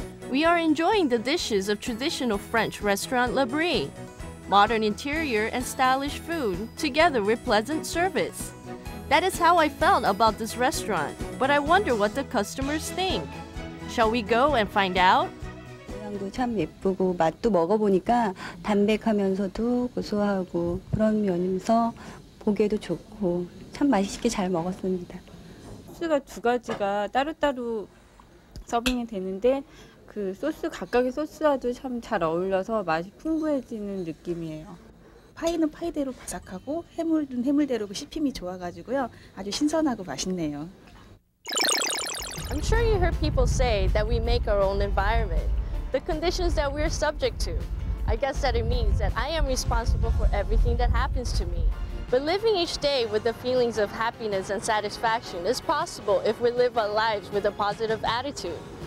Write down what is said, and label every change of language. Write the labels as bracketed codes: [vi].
[en] We are enjoying the dishes of traditional French restaurant La Brie. Modern interior and stylish food, together with pleasant service. That is how I felt about this restaurant, but I wonder what the customers think. Shall we go and find out? [ko] 참 예쁘고 맛도 먹어보니까 담백하면서도 고소하고 그런 면이면서 보기에도 좋고 참 맛있게 잘 먹었습니다. 소스가 두 가지가 따로따로 서빙이 되는데 그 소스 각각의 소스와도 참 잘 어울려서 맛이 풍부해지는 느낌이에요. 파이는 파이대로 바삭하고 해물은 해물대로 씹힘이 좋아가지고요. 아주 신선하고 맛있네요. [en] I'm sure you heard people say that we make our own environment. The conditions that we're subject to. I guess that it means that I am responsible for everything that happens to me. But living each day with the feelings of happiness and satisfaction is possible if we live our lives with a positive attitude.